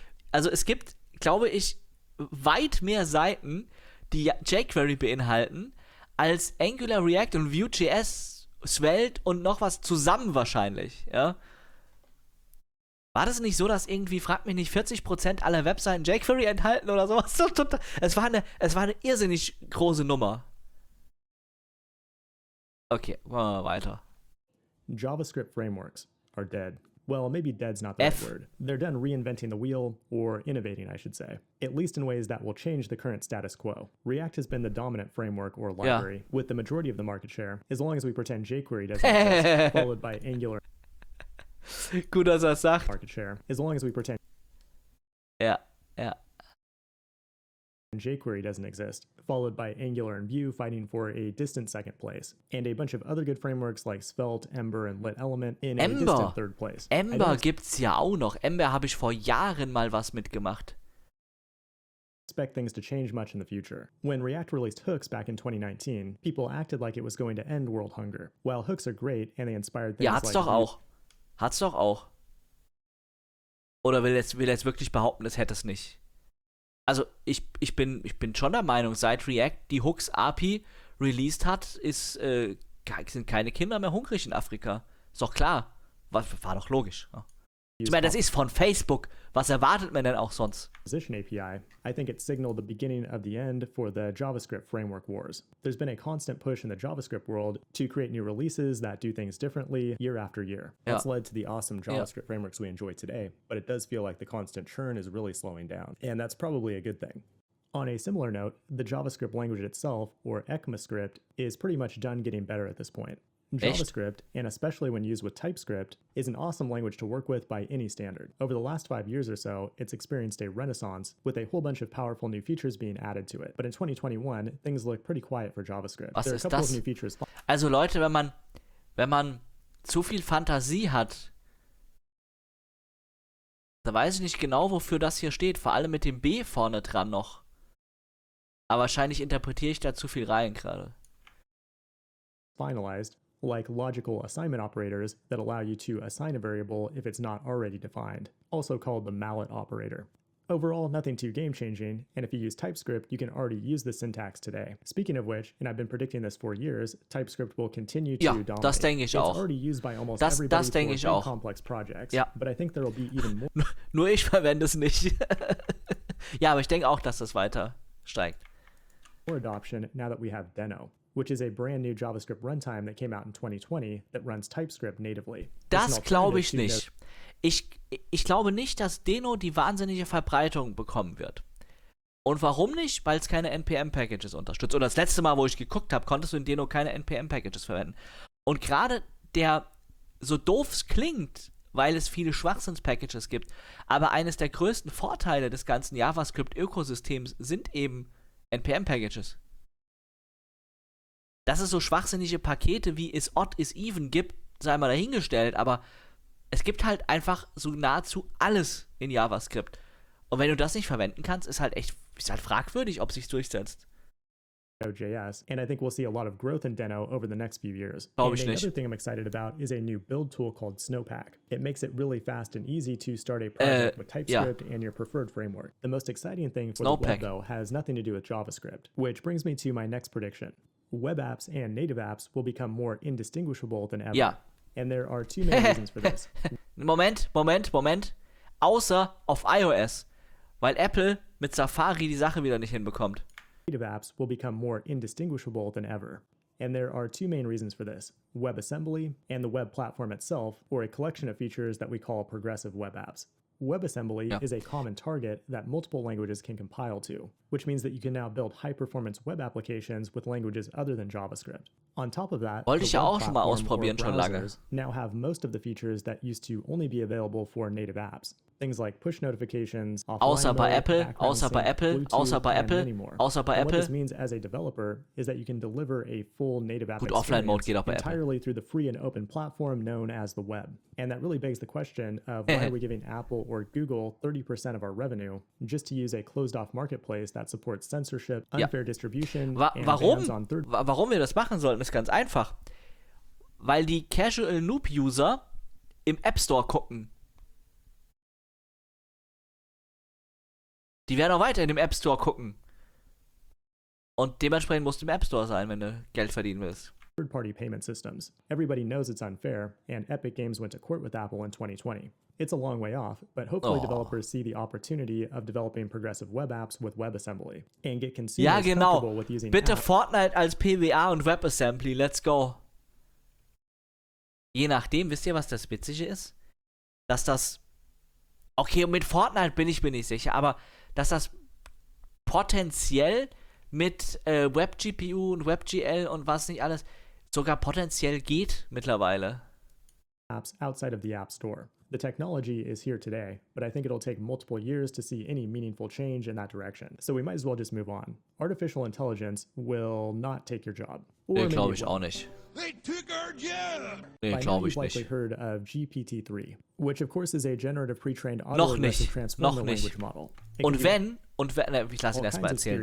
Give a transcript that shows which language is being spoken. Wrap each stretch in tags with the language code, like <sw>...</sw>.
<de>Also es gibt, glaube ich, weit mehr Seiten, die jQuery beinhalten, als Angular, React und Vue.js, Svelte und noch was zusammen wahrscheinlich, ja. War das nicht so, dass irgendwie, fragt mich nicht, 40% aller Webseiten jQuery enthalten oder sowas? Es war eine irrsinnig große Nummer. Okay, machen wir weiter.</de> <en>JavaScript Frameworks are dead. Well, maybe dead's not the right word. They're done reinventing the wheel, or innovating, I should say. At least in ways that will change the current status quo. React has been the dominant framework or library, yeah, with the majority of the market share, as long as we pretend jQuery doesn't exist, followed by Angular.</en> <de>Gut, dass er sagt.</de> <en>Market share, as long as we pretend. Yeah. jQuery doesn't exist, followed by Angular and Vue fighting for a distant second place, and a bunch of other good frameworks like Svelte, Ember and LitElement in Ember. A distant third place.</en> <de>Ember gibt's ja auch noch. Ember habe ich vor Jahren mal was mitgemacht.</de> <en>Expect things to change much in the future. When React released Hooks back in 2019, people acted like it was going to end world hunger. While Hooks are great and they inspired things,</en> <de>ja, hat's doch auch. Hat's doch auch. Oder will jetzt wirklich behaupten, es hätte es nicht. Also ich bin schon der Meinung, seit React die Hooks API released hat, sind keine Kinder mehr hungrig in Afrika. Ist doch klar. War doch logisch. Ja. Ich meine, das ist von Facebook. Was erwartet man denn auch sonst?</de> <en>Position API. I think it signaled the beginning of the end for the JavaScript framework wars. There's been a constant push in the JavaScript world to create new releases that do things differently year after year. That's led to the awesome JavaScript frameworks we enjoy today, but it does feel like the constant churn is really slowing down, and that's probably a good thing. On a similar note, the JavaScript language itself, or ECMAScript, is pretty much done getting better at this point. JavaScript, and especially when used with TypeScript, is an awesome language to work with by any standard. Over the last 5 years or so, it's experienced a renaissance, with a whole bunch of powerful new features being added to it. But in 2021, things look pretty quiet for JavaScript.</en> <de>Was</de> <en>there are a couple of new features.</en> <de>Also Leute, wenn man zu viel Fantasie hat, da weiß ich nicht genau, wofür das hier steht, vor allem mit dem B vorne dran noch. Aber wahrscheinlich interpretiere ich da zu viel rein gerade.</de> <en>Finalized, like logical assignment operators that allow you to assign a variable if it's not already defined, also called the mallet operator. Overall, nothing too game-changing, and if you use TypeScript, you can already use the syntax today. Speaking of which, and I've been predicting this for years, TypeScript will continue to dominate.</en> <de>Das denke ich auch.</de> <en>It's already used by almost everybody for complex projects, but I think there will be even more.</en> <de>Nur ich verwende es nicht. Ja, aber ich denke auch, dass das weiter steigt.</de> <en>More adoption now that we have Deno, which is a brand new JavaScript runtime that came out in 2020 that runs TypeScript natively.</en> <de>Das glaube ich nicht. Ich glaube nicht, dass Deno die wahnsinnige Verbreitung bekommen wird. Und warum nicht? Weil es keine NPM-Packages unterstützt. Und das letzte Mal, wo ich geguckt habe, konntest du in Deno keine NPM-Packages verwenden. Und gerade der, so doof es klingt, weil es viele Schwachsinns-Packages gibt, aber eines der größten Vorteile des ganzen JavaScript-Ökosystems sind eben NPM-Packages. Dass es so schwachsinnige Pakete wie is odd, is even gibt, sei mal dahingestellt, aber es gibt halt einfach so nahezu alles in JavaScript. Und wenn du das nicht verwenden kannst, ist halt fragwürdig, ob sich's durchsetzt.</de> <en>Node.js, and I think we'll see a lot of growth in Deno over the next few years. Another thing I'm excited about is a new build tool called Snowpack. It makes it really fast and easy to start a project with TypeScript and your preferred framework. The most exciting thing for Snowpack, though, has nothing to do with JavaScript, which brings me to my next prediction. Web apps and native apps will become more indistinguishable than ever. Yeah. And there are two main reasons for this.</en> <de>Moment. Außer auf iOS, weil Apple mit Safari die Sache wieder nicht hinbekommt.</de> <en>Native apps will become more indistinguishable than ever. And there are two main reasons for this. WebAssembly and the web platform itself, or a collection of features that we call progressive web apps. WebAssembly is a common target that multiple languages can compile to, which means that you can now build high-performance web applications with languages other than JavaScript. On top of that,</en> <de>wollte ich ja auch schon mal ausprobieren, schon lange.</de> <en>Now have most of the features that used to only be available for native apps. Things like push notifications,</en> <de>außer bei Apple, außer bei Apple, außer bei Apple, außer bei Apple.</de> <en>What this means as a developer is that you can deliver a full native app entirely through the free and open platform known as the web. And that really begs the question of why are we giving Apple or Google 30% of our revenue just to use a closed off marketplace that supports censorship, unfair distribion,</en> <de>warum wir das machen sollten, ist ganz einfach. Weil die casual noob User im App Store gucken. Die werden auch weiter in dem App Store gucken. Und dementsprechend musst du im App Store sein, wenn du Geld verdienen willst.</de> <en>Third-party payment systems. Everybody knows it's unfair, and Epic Games went to court with Apple in 2020. It's a long way off, but hopefully developers see the opportunity of developing progressive web apps with WebAssembly and get consumers comfortable with using</en> <de>Bitte apps. Fortnite als PWA und WebAssembly,</de> <en>let's go.</en> <de>Je nachdem, wisst ihr, was das Witzige ist? Dass das... Okay, mit Fortnite bin ich sicher, aber... dass das potenziell mit Web-GPU und Web-GL und was nicht alles sogar potenziell geht mittlerweile.</de> <en>Apps outside of the App Store. The technology is here today, but I think it'll take multiple years to see any meaningful change in that direction. So we might as well just move on. Artificial intelligence will not take your job.</en> <de>Or nee, glaube ich auch nicht.</de> <en>They took our job!</en> <de>Nee, glaube ich nicht.</de> <en>By now you've likely heard of GPT-3, which of course is a generative pre-trained auto-aggressive transformer</en> <de>Noch nicht.</de> <en>Language model.</en> <de>Und wenn, ne, ich lasse ihn erstmal erzählen.</de>